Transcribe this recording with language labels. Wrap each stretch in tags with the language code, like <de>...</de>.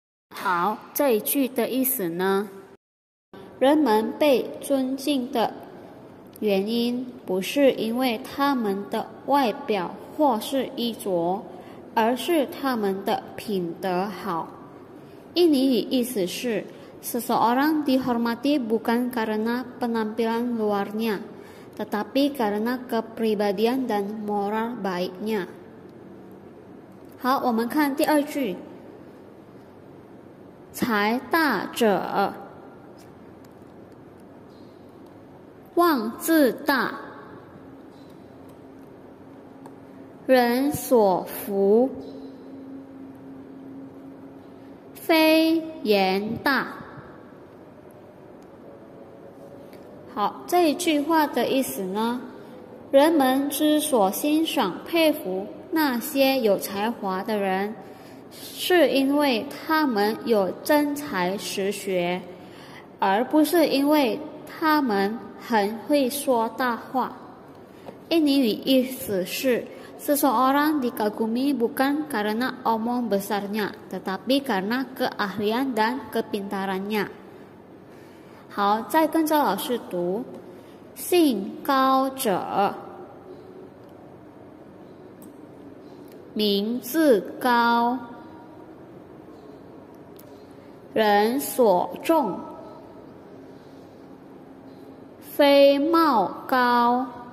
<zh>好，这一句的意思呢，人们被尊敬的原因不是因为他们的外表或是衣着，而是他们的品德好。印尼语意思是</zh> <id>Seseorang dihormati bukan karena penampilan luarnya, tetapi karena kepribadian dan moral baiknya.</id> <zh>好，我们看第二句。财大者，妄自大，人所福，非言大。好，这一句话的意思呢，人们之所欣赏佩服那些有才华的人，是因为他们有真才实学，而不是因为他们很会说大话。印尼语意思是</zh> <id>Seseorang dikagumi bukan karena omong besarnya, tetapi karena keahlian dan kepintarannya.</id> <zh>好，再跟着老师读。信高者，名自高，人所重，非貌高，</zh>